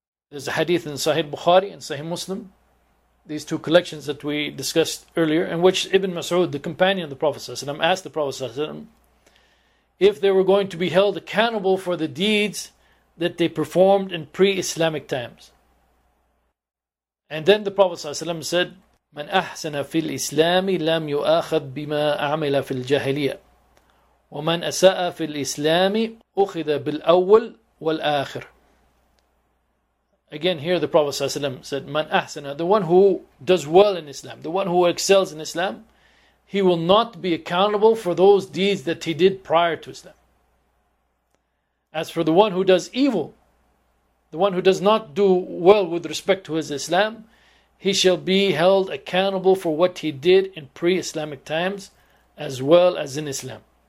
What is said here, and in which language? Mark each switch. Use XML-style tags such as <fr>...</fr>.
<en>There's a hadith in Sahih Bukhari and Sahih Muslim, these two collections that we discussed earlier, in which Ibn Mas'ud, the companion of the Prophet ﷺ, asked the Prophet ﷺ if they were going to be held accountable for the deeds that they performed in pre-Islamic times.</en> <ar>And then the Prophet ﷺ said, مَنْ أَحْسَنَ فِي الْإِسْلَامِ لَمْ يُؤَخَذْ بِمَا أَعْمِلَ فِي الْجَهِلِيَةِ وَمَنْ أَسَاءَ فِي الْإِسْلَامِ أُخِذَ بِالْأَوَّلْ وَالْآخِرِ.</ar> <en>Again, here the Prophet ﷺ said,</en> <ar>مَنْ أَحْسَنَ,</ar> <en>the one who does well in Islam, the one who excels in Islam, he will not be accountable for those deeds that he did prior to Islam. As for the one who does evil, the one who does not do well with respect to his Islam, he shall be held accountable for what he did in pre-Islamic times as well as in Islam.</en>